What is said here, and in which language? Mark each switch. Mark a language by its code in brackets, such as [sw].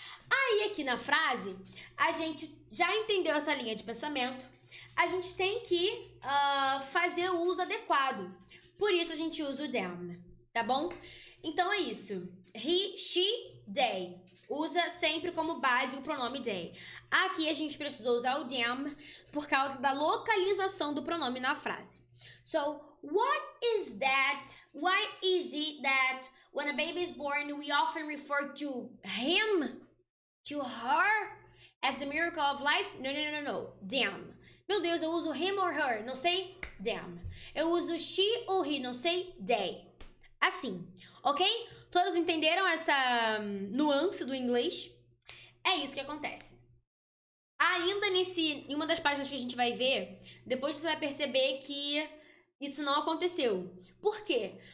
[pt] Aí, aqui na frase, a gente já entendeu essa linha de pensamento, a gente tem que fazer o uso adequado. Por isso, a gente usa o them, tá bom? Então é isso. [en] He, she, they. [pt] Usa sempre como base o pronome they. Aqui a gente precisou usar o them por causa da localização do pronome na frase. [en] So, why is it that when a baby is born, we often refer to him, to her, as the miracle of life? No. Them. [pt] Meu Deus, eu uso [en] him or her, [pt] não sei them. Eu uso she ou he, não sei they. Assim, ok? Todos entenderam essa nuance do inglês? É isso que acontece. Ainda nesse, em uma das páginas que a gente vai ver, depois você vai perceber que isso não aconteceu. Por quê?